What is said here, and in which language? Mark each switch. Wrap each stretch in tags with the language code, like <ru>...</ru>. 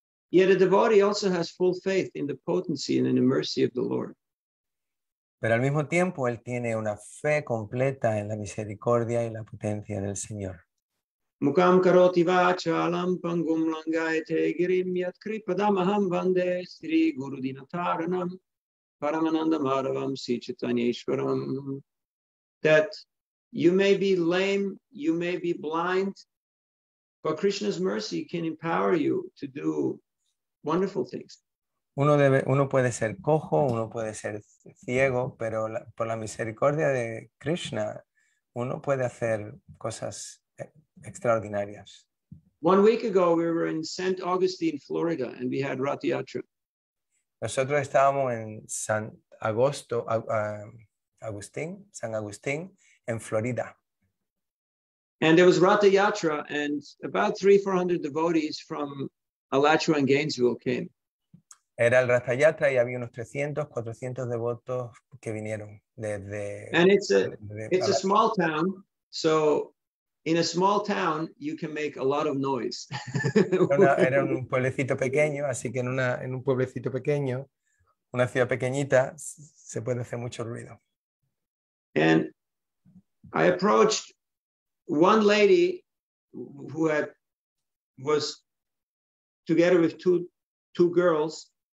<en>Yet a devotee also has full faith in the potency and in the mercy of the Lord.</en> <es>Pero al mismo tiempo él tiene una fe completa en la misericordia y la potencia del Señor.</es> <sa>Mukam karoti vacha alam pangum langayate girim yat kripadamaham vande sri guru dinataranam paramananda maravam si chitanyeshwaram.</sa> <en>That you may be lame, you may be blind, but Krishna's mercy can empower you to do wonderful things.</en> <es>Uno puede ser cojo, uno puede ser ciego, pero por la misericordia de Krishna, uno puede hacer cosas extraordinarias.</es> <en>One week ago, we were in St. Augustine, Florida, and we had Rath Yatra.</en> <es>Nosotros estábamos en San Agustín, en Florida.</es> <en>And there was Rath Yatra, and about 300-400 devotees from Alachua and Gainesville came.</en> <es>Era el Rath Yatra y había unos 300-400 devotos que vinieron desde.</es> <en>And it's a small town, so in a small town you can make a lot of noise.</en> <es>Era un pueblecito pequeño, así que en un pueblecito pequeño, una ciudad pequeñita, se puede hacer mucho ruido.</es> <en>And I approached one lady who had was together with two girls.</en>